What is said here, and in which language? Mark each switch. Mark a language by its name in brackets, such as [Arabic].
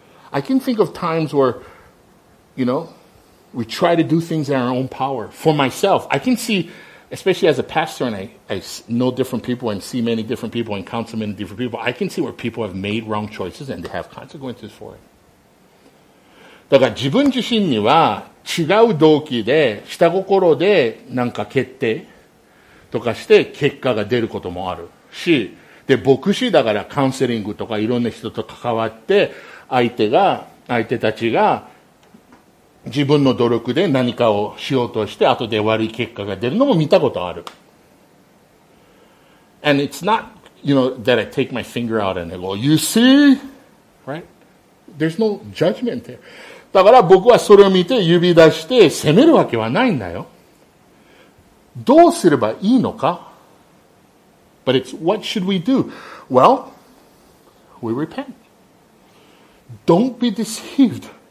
[English] I can think of times where, you know, we try to do things in our own power. For myself, I can see, especially as a pastor, and I know different people and see many different people and counsel many different people, I can see where people have made wrong choices and they have consequences for it. [Japanese] だから自分自身には、違う動機で、下心でなんか決定とかして結果が出ることもあるし、で、牧師だからカウンセリングとかいろんな人と関わって、相手たちが自分の努力で何かをしようとして、後で悪い結果が出るのも見たことある。 [English] And it's not, you know, that I take my finger out and I go, you see? Right? There's no judgment there. [Japanese] だから僕はそれを見て指出して責めるわけはないんだよ。どうすればいいのか。 [English] But it's what should we do? Well, we repent. Don't be deceived.